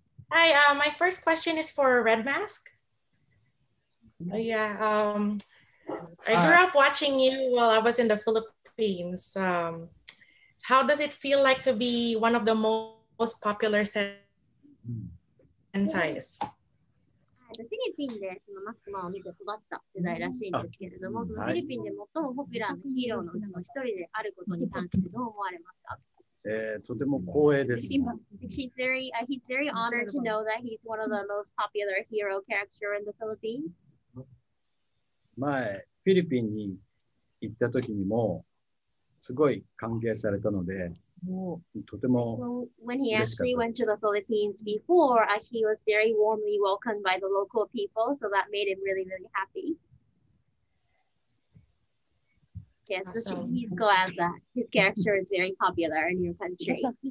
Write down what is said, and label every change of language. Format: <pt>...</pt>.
<en>Hi, my first question is for Red Mask. I grew up watching you while I was in the Philippines. How does it feel like to be one of the most popular Sentais?</en> <ja>私フィリピンでそのマスクマンを見て育った世代らしいんですけれども、そのフィリピンで最もポピュラーなヒーローの一人であることに関してどう思われますか？とても光栄です。</ja> <en>He's very honored to know that he's one of the most popular hero character in the Philippines.</en> <ja>前、フィリピンに行った時にもすごい歓迎されたので、</ja> <en>When he actually went to the Philippines before, he was very warmly welcomed by the local people, so that made him really, really happy. Yes, awesome. So he's glad that his character is very popular in your country.</en>